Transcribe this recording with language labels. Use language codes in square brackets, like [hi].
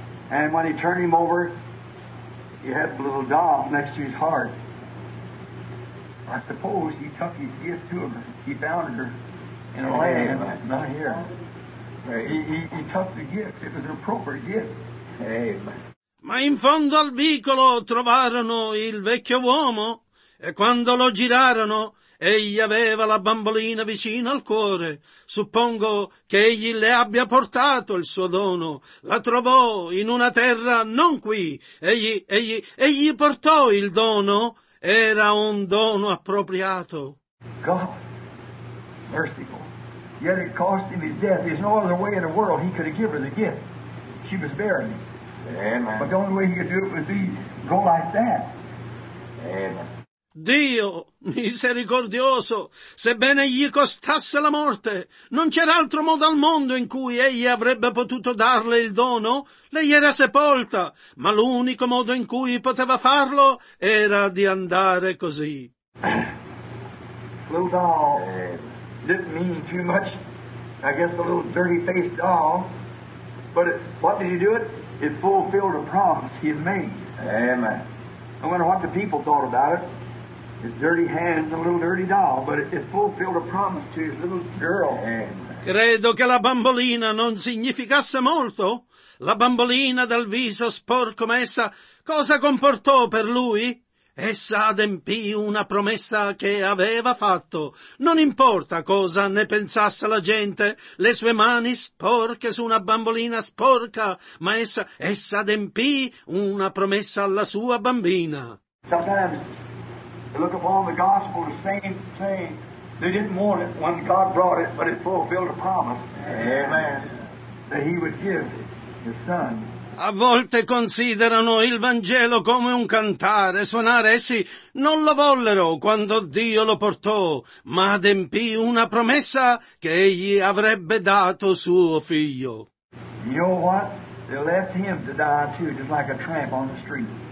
[en] And when he turned him over, he had the little doll next to his heart. I suppose he took his gift to him. He found her in a land, not here. He took the gift. It was an appropriate gift. [it] Ma in fondo al vicolo trovarono il vecchio uomo, e quando lo girarono, egli aveva la bambolina vicino al cuore. Suppongo che egli le abbia portato il suo dono. La trovò in una terra non qui. Egli portò il dono. Era un dono appropriato. [en] God, merciful. Yet it cost him his death. There's no other way in the world he could have given her the gift. She was barren. Amen. But the only way he could do it would be go like that. Amen. [it] Dio misericordioso, sebbene gli costasse la morte, non c'era altro modo al mondo in cui egli avrebbe potuto darle il dono. Lei era sepolta, ma l'unico modo in cui poteva farlo era di andare così. [en] Little doll didn't mean too much, I guess, a little dirty faced doll, but what did he do it? It fulfilled a promise he had made. Amen. No matter what the people thought about it. His dirty hands, a little dirty doll, but it fulfilled a promise to his little girl. [it] Credo che la bambolina non significasse molto. La bambolina dal viso sporco, ma essa cosa comportò per lui? Essa adempì una promessa che aveva fatto. Non importa cosa ne pensasse la gente, le sue mani sporche su una bambolina sporca, ma essa adempì una promessa alla sua bambina. [en] Sometimes. They look upon the gospel the same thing. They didn't want it when God brought it, but it fulfilled a promise. Amen. That he would give his son. [it] A volte considerano il Vangelo come un cantare, suonare, essi non lo vollero quando Dio lo portò, ma adempì una promessa che egli avrebbe dato suo figlio. [en] You know what? They left him to die too, just like a tramp on the street.